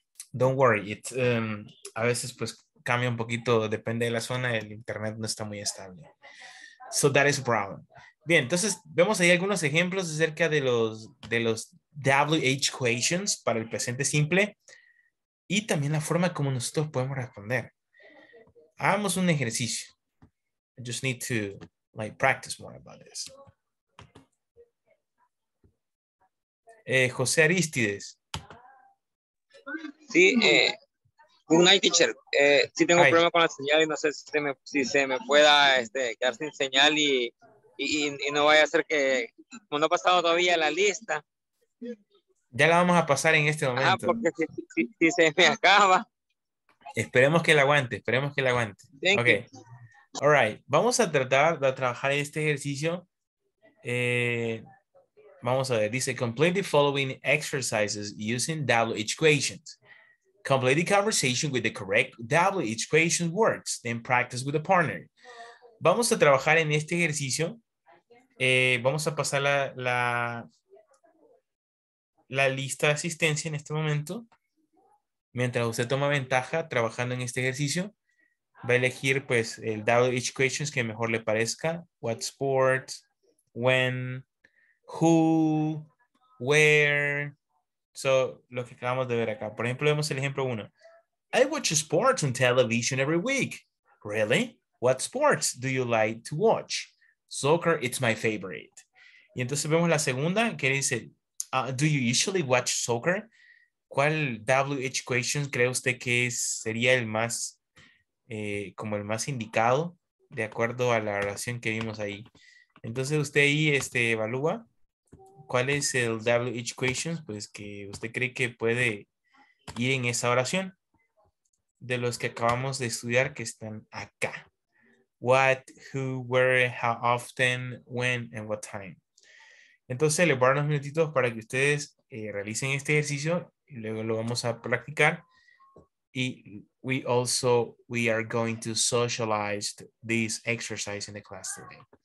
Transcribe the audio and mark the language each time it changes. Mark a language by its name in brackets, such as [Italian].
[English] Don't worry, [Spanish] a veces pues cambia un poquito, depende de la zona, el internet no está muy estable. [English] So that is a problem. [Spanish] Bien, entonces vemos ahí algunos ejemplos acerca de los WH questions para el presente simple y también la forma como nosotros podemos responder. Hagamos un ejercicio. [English] I just need to like practice more about this. [Spanish] José Aristides. [English] Sí, good night, teacher. [Spanish] Sí tengo un problema con la señal y no sé si se me pueda quedar sin señal y no vaya a ser que, como no ha pasado todavía la lista. Ya la vamos a pasar en este momento. Ah, porque si se me acaba. Esperemos que la aguante. [English] Thank okay. You. All right. [Spanish] Vamos a tratar de trabajar este ejercicio. Vamos a ver. Dice, [English] complete the following exercises using WH questions. Complete the conversation with the correct WH question words. Then practice with a partner. [Spanish] Vamos a trabajar en este ejercicio. Vamos a pasar la lista de asistencia en este momento. Mientras usted toma ventaja trabajando en este ejercicio, va a elegir pues el WH questions que mejor le parezca. [English] What sport, when, who, where. [Spanish] So, lo que acabamos de ver acá. Por ejemplo, vemos el ejemplo 1. [English] I watch sports on television every week. Really? What sports do you like to watch? Soccer, it's my favorite. [Spanish] Y entonces vemos la segunda que dice, [English] do you usually watch soccer? [Spanish] ¿Cuál WH question cree usted que sería el más indicado de acuerdo a la oración que vimos ahí. Entonces usted ahí evalúa cuál es el WH questions, pues que usted cree que puede ir en esa oración de los que acabamos de estudiar que están acá. [English] What, who, where, how often, when, and what time. [Spanish] Entonces les voy a dar unos minutitos para que ustedes realicen este ejercicio y luego lo vamos a practicar. [English] Y we are going to socialize this exercise in the class today.